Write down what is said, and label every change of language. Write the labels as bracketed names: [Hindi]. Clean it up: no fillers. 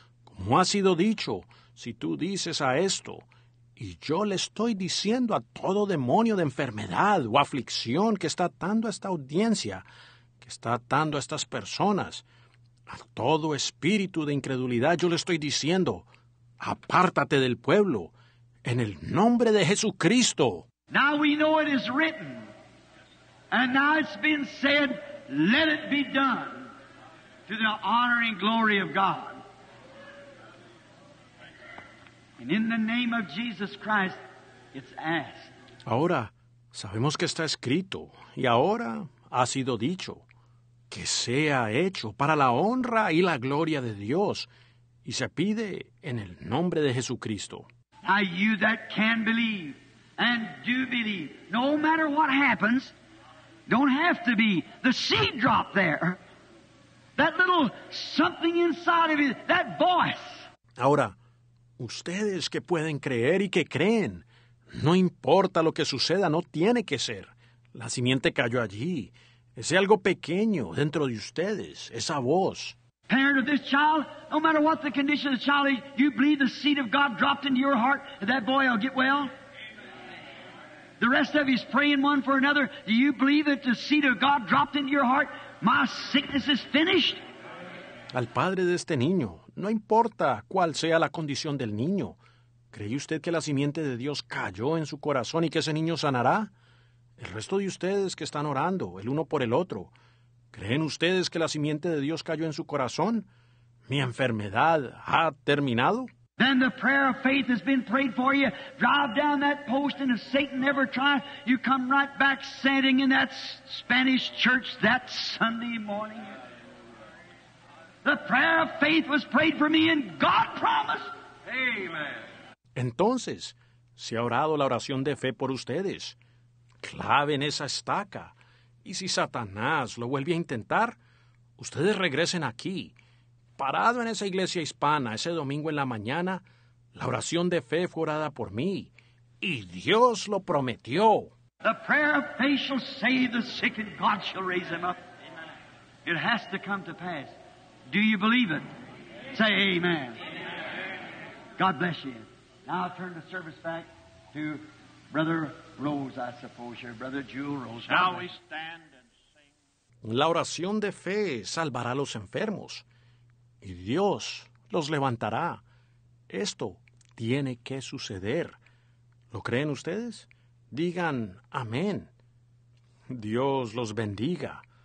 [Spanish] Como ha sido dicho, si tú dices a esto, y yo le estoy diciendo a todo demonio de enfermedad o aflicción que está atando a esta audiencia, que está atando a estas personas, a todo espíritu de incredulidad, yo le estoy diciendo, apártate del pueblo, en el nombre de Jesucristo. [English] Now we know it is written. And now it's been said, let it be done to the honor and glory of God. And in the name of Jesus Christ, it's asked. [Spanish] Ahora, sabemos que está escrito, y ahora ha sido dicho, que sea hecho para la honra y la gloria de Dios, y se pide en el nombre de Jesucristo. [English] Now you that can believe, and do believe, no matter what happens, don't have to be the seed drop there. That little something inside of you, that voice. [Spanish] Ahora, ustedes que pueden creer y que creen, no importa lo que suceda, no tiene que ser. La simiente cayó allí. Ese algo pequeño dentro de ustedes, esa voz. [English] Parent of this child, no matter what the condition of the child is, you believe the seed of God dropped into your heart, and that boy will get well. The rest of you is praying one for another. Do you believe that the seed of God dropped into your heart? My sickness is finished. [Spanish] Al padre de este niño, no importa cuál sea la condición del niño, ¿cree usted que la simiente de Dios cayó en su corazón y que ese niño sanará? El resto de ustedes que están orando, el uno por el otro, ¿creen ustedes que la simiente de Dios cayó en su corazón? ¿Mi enfermedad ha terminado? [English] Then the prayer of faith has been prayed for you. Drive down that post, and if Satan ever tries, you come right back standing in that Spanish church that Sunday morning. The prayer of faith was prayed for me, and God promised. Amen. [Spanish] Entonces, se ha orado la oración de fe por ustedes. Claven esa estaca. Y si Satanás lo vuelve a intentar, ustedes regresen aquí. Parado en esa iglesia hispana, ese domingo en la mañana, la oración de fe fue orada por mí. Y Dios lo prometió. [English] The prayer of faith shall save the sick and God shall raise him up. It has to come to pass. Do you believe it? Say amen. God bless you. Now I'll turn the service back to Brother Rose, I suppose, here, Brother Jewel Rose. Now we stand and sing. [Spanish] La oración de fe salvará a los enfermos, y Dios los levantará. Esto tiene que suceder. ¿Lo creen ustedes? Digan amén. Dios los bendiga.